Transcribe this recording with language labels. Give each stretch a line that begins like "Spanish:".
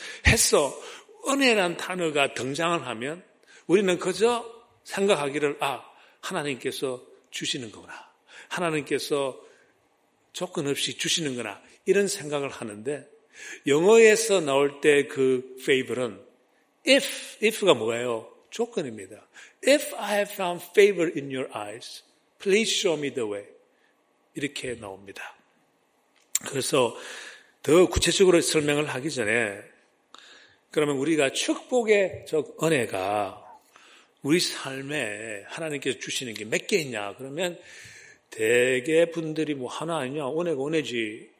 Korean: 해서 은혜란 단어가 등장을 하면 우리는 그저 생각하기를 아 하나님께서 주시는 거구나 하나님께서 조건 없이 주시는 거구나 이런 생각을 하는데 영어에서 나올 때 그 favor은 if가 뭐예요? 조건입니다.
English: If I have found favor in your eyes, please show me the way.
Korean: 이렇게 나옵니다. 그래서 더 구체적으로 설명을 하기 전에 그러면 우리가 축복의 즉 은혜가 우리 삶에 하나님께서 주시는 게 몇 개 있냐? 그러면 대개 분들이 뭐 하나 아니냐, 은혜가 은혜지.